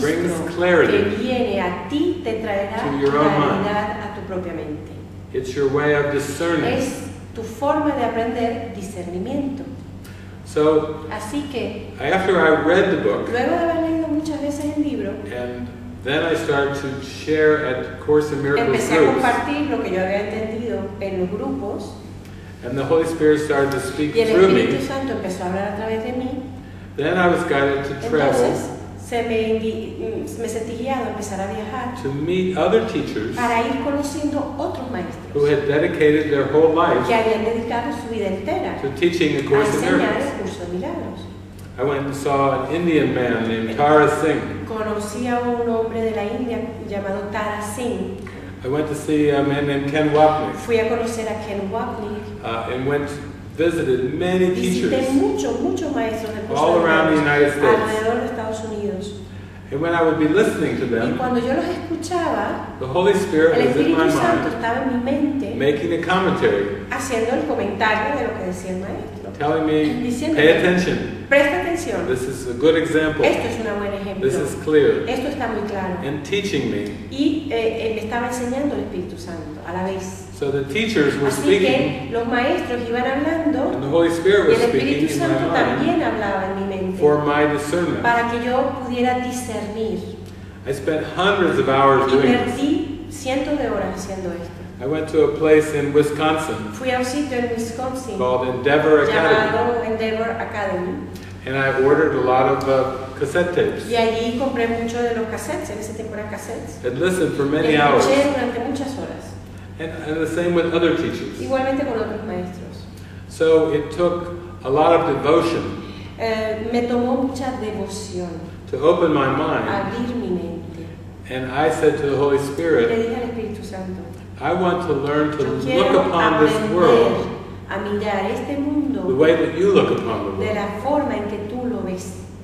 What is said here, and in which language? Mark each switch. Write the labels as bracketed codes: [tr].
[en] brings clarity [es] que viene a ti te traerá [en] to your own mind. [es] A tu propia mente. [en] It's your way of discerning. [es] Es tu forma de aprender discernimiento. [en] So, [es] así que, [en] after I read the book, [es] luego de haber leído muchas veces el libro, [en] and then I started to share at Course in Miracles [es] empecé [en] groups, [es] a compartir lo que yo había entendido en los grupos, [en] and the Holy Spirit started to speak [es] y el [en] through [es] Espíritu [en] me, [es] Santo empezó a hablar a través de mí. [en] Then I was guided to travel. [es] Entonces, me sentí guiado a empezar a viajar. [en] To meet other teachers. [es] Para ir conociendo otros maestros. [en] Who had dedicated their whole life. [es] Que habían dedicado su vida entera. [en] To teaching a Course in Miracles. [es] A enseñar el Curso de Milagros. [en] I went and saw an Indian man named Tara Singh. [es] Conocí a un hombre de la India llamado Tara Singh. [en] I went to see a man named Ken Wapnick. [es] Fui a conocer a Ken Wapnick. [en] Visited many teachers [es] mucho maestros de [en] all around the United States. And when I would be listening to them, [es] y cuando yo los escuchaba, [en] the Holy Spirit [es] el Espíritu [en] was in my [es] Santo [en] mind, [es] estaba en mi mente, [en] making a commentary, [es] haciendo el comentario de lo que decía el maestro, [en] telling me, [es] diciendo, [en] pay attention. [es] Presta atención. [en] This is a good example. [es] Esto es una buena ejemplo. [en] This is clear. [es] Esto está muy claro. [en] And teaching me. [es] Y me estaba enseñando el Espíritu Santo a la vez. [en] So the teachers were [es] así [en] speaking, [es] que los maestros iban hablando [en] and the Holy Spirit was [es] y el Espíritu [en] speaking [es] Santo también hablaba en mi mente [en] for my discernment. [es] Para que yo pudiera discernir. [en] I spent hundreds of hours [es] y perdí cientos de horas haciendo esto. [en] I went to a place in Wisconsin, [es] fui a un sitio en Wisconsin [en] called Endeavor Academy, [es] llamado Endeavor Academy. [en] And I ordered a lot of cassette tapes. [es] Y allí compré mucho de los cassettes, en ese tiempo eran cassettes. [en] And listened for many hours. [es] Escuché durante muchas horas. [en] And the same with other teachers. [es] Igualmente con otros maestros. [en] So it took a lot of devotion. [es] Me tomó mucha devoción. [en] To open my mind. [es] Abrir mi mente. [en] And I said to the Holy Spirit. [es] Le dije al Espíritu Santo. [en] I want to learn to look upon this world. [es] A mirar este mundo. [en] The way that you look upon the world. [es] De la forma en que tú lo ves.